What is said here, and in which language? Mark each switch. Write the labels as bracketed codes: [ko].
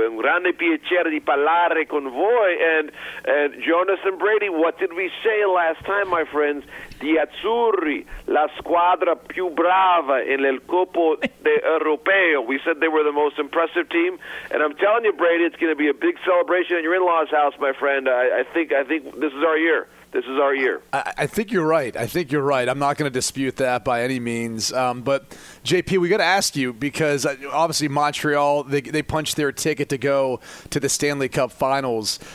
[it] Yeah. Un grande piacere di parlare con voi. [en] And Jonas and Brady, what did we say last time, my friends? [it] Gli Azzurri, la squadra più brava in el Coppa Europeo. [en] We said they were the most impressive team. And I'm telling you, Brady, it's going to be a big celebration in your in-laws' house, my friend. I think this is our year. This is our year. I think you're right. I'm not going to dispute that by any means. But, JP, we got to ask you because, obviously, Montreal, they punched their ticket to go to the Stanley Cup Finals.